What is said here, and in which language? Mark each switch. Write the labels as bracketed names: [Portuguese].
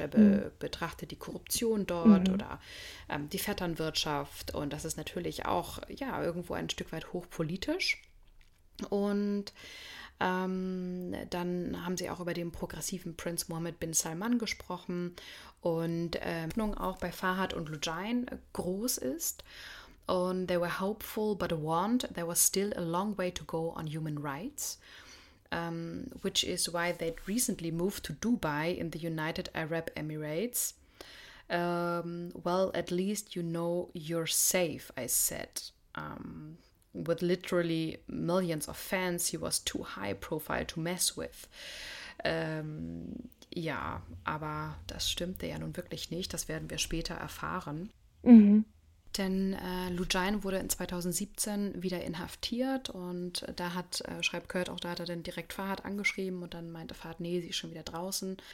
[German] Er betrachtet die Korruption dort oder die Vetternwirtschaft und das ist natürlich auch, ja, irgendwo ein Stück weit hochpolitisch. Und dann haben sie auch über den progressiven Prinz Mohammed bin Salman gesprochen und Hoffnung auch bei Fahad und Lujain groß ist. [English] Und they were hopeful but warned there was still a long way to go on human rights, which is why they'd recently moved to Dubai in the United Arab Emirates. Well, at least you know you're safe, I said. With literally millions of fans, he was too high profile to mess with. [German] Ja, aber das stimmte ja nun wirklich nicht. Das werden wir später erfahren. Mhm. Denn Lujain wurde in 2017 wieder inhaftiert und da hat, schreibt Kurt auch, da hat er dann direkt Fahad angeschrieben und dann meinte Fahad, nee, sie ist schon wieder draußen.